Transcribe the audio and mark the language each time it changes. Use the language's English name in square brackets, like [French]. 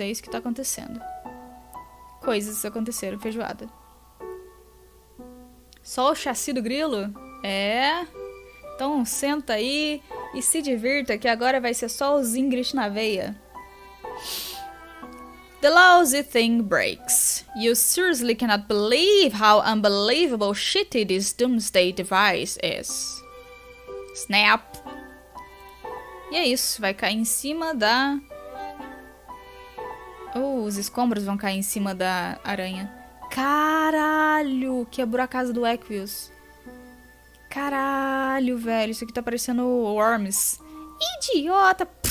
[Portuguese] É isso que tá acontecendo. Coisas aconteceram, feijoada. Só o chassi do grilo? É, então senta aí e se divirta que agora vai ser só os Ingrid na veia. [English] The lousy thing breaks. You seriously cannot believe how unbelievable shitty this doomsday device is. Snap. [Portuguese] E é isso, vai cair em cima da... Oh, os escombros vão cair em cima da aranha. Caralho, quebrou a casa do Equius. Caralho, velho, isso aqui tá parecendo Worms. Idiota!